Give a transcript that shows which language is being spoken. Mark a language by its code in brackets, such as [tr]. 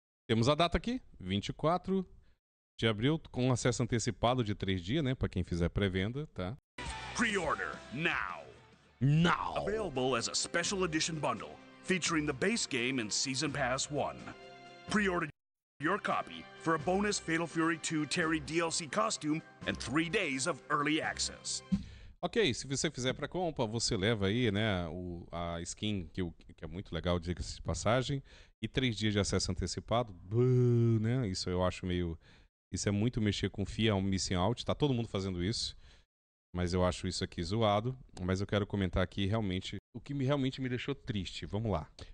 [pt] Temos a data aqui, 24 de abril, com acesso antecipado de 3 dias, né? Para quem fizer pré-venda, tá? [en] Pre-order now. Now. Available as a special edition bundle, featuring the base game and Season Pass 1. Pre-order your copy for a bonus Fatal Fury 2 Terry DLC costume and 3 days of early access. [pt] Ok, se você fizer pra compra, você leva aí, né, a skin, que é muito legal, diga-se de passagem, e 3 dias de acesso antecipado, né, isso eu acho meio... Isso é muito mexer com FIA, um missing out, tá todo mundo fazendo isso. Mas eu acho isso aqui zoado. Mas eu quero comentar aqui realmente o que realmente me deixou triste. Vamos lá.